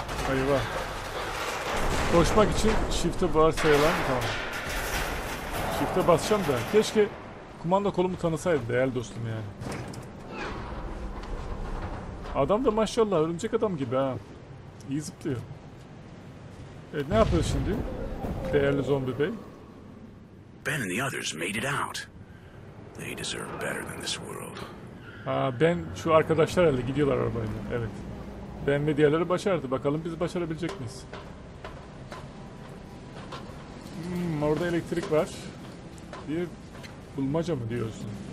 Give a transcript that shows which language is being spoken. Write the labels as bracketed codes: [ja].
[tr] Eyvah. Koşmak için shift'e basayalım. Tamam. Shift'e basacağım da. Keşke kumanda kolumu tanısaydı değerli dostum yani. Adam da maşallah örümcek adam gibi ha. İyi zıplıyor. Evet ne yapıyoruz şimdi? Değerli zombi bey. [en] Ben and the others made it out. They deserve better than this world. [tr] Aa, ben şu arkadaşlar herhalde gidiyorlar arabayla. Evet. Ben ve diğerleri başardı. Bakalım biz başarabilecek miyiz? Hmm, orada elektrik var. Bir bulmaca mı diyorsun?